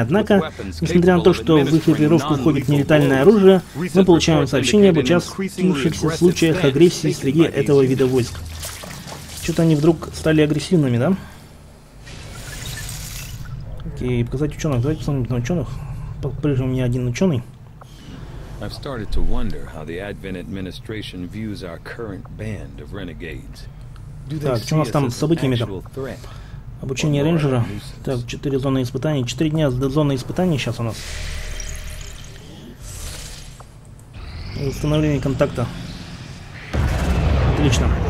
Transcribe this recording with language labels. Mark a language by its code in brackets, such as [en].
[ru] Однако, несмотря на то, что в их экипировку входит нелетальное оружие, мы получаем сообщение об участвующихся случаях агрессии среди этого вида войск. Что-то они вдруг стали агрессивными, да? Окей, показать ученых. Давайте посмотрим на ученых. По-прежнему не один ученый. [en] I've started to wonder how the Advent administration views our current band of renegades. [ru] Так, что у нас там с событиями-то? Обучение рейнджера. Так, 4 зоны испытаний. 4 дня до зоны испытаний сейчас у нас. И установление контакта. Отлично.